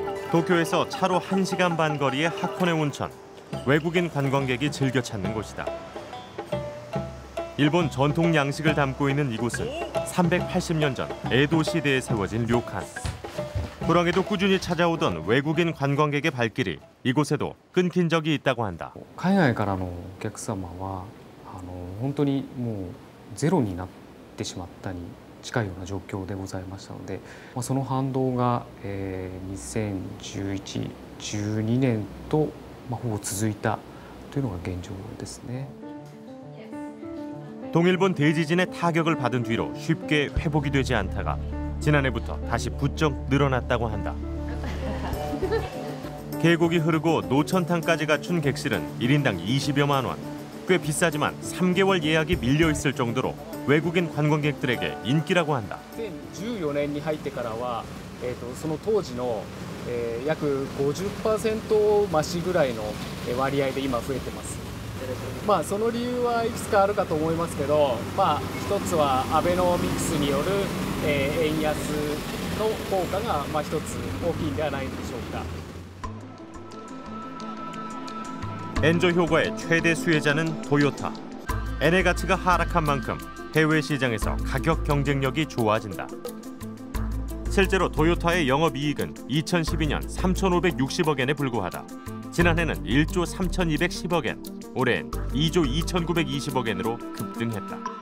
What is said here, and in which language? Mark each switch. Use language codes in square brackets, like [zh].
[ko] 도쿄에서 차로 1시간 반 거리의 하코네 온천. 외국인 관광객이 즐겨 찾는 곳이다. 일본 전통 양식을 담고 있는 이곳은 380년 전 에도 시대에 세워진 료칸. 불황에도 꾸준히 찾아오던 외국인 관광객의 발길이 이곳에도 끊긴 적이 있다고 한다. [ja] 海外からのお客様は本当にもうゼロになってしまったに近いような状況でございましたので、その反動が2011、12年とほぼ続いたというのが現状ですね。 [ko] 동일본 대지진의 타격을 받은 뒤로 쉽게 회복이 되지 않다가 지난해부터 다시 부쩍 늘어났다고 한다. 계곡이 흐르고 노천탕까지 갖춘 객실은 1인당 20여만 원. 꽤 비싸지만 3개월 예약이 밀려 있을 정도로 외국인 관광객들에게 인기라고 한다. 2014년에 [ja] 入ってからは 当時の 약 50% 増しぐらいの割合で今増えてます。その理由はいくつかあるかと思いますけど、一つはアベノミクスによる円安の効果が一つ大きいんではないでしょうか。 [ko] 엔저 효과의 최대 수혜자는 도요타. 엔의 가치가 하락한 만큼 해외 시장에서 가격 경쟁력이 좋아진다. 실제로 도요타의 영업이익은 2012년 3,560억 엔에 불과하다. 지난해는 1조 3,210억 엔, 올해는 2조 2,920억 엔으로 급등했다.